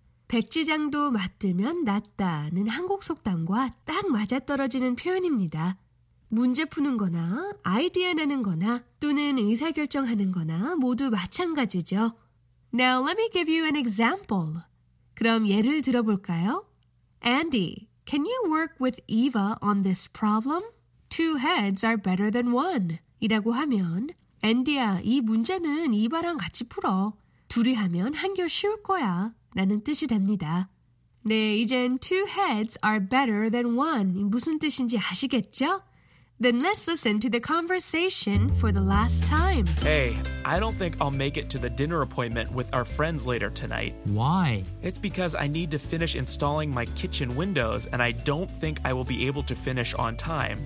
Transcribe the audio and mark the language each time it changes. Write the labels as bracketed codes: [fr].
[ko] 백지장도 맞들면 낫다는 한국 속담과 딱 맞아떨어지는 표현입니다. 문제 푸는 거나 아이디어 내는 거나 또는 의사결정하는 거나 모두 마찬가지죠. [en] Now let me give you an example. [ko] 그럼 예를 들어볼까요? [en] Andy, can you work with Eva on this problem? Two heads are better than one. [ko] 이라고 하면 Andy야, 이 문제는 이바랑 같이 풀어. 둘이 하면 한결 쉬울 거야. 라는 뜻이 됩니다. 네, 이젠 [en] two heads are better than one. [ko] 무슨 뜻인지 아시겠죠? [en] Then let's listen to the conversation for the last time. Hey, I don't think I'll make it to the dinner appointment with our friends later tonight. Why? It's because I need to finish installing my kitchen windows, and I don't think I will be able to finish on time.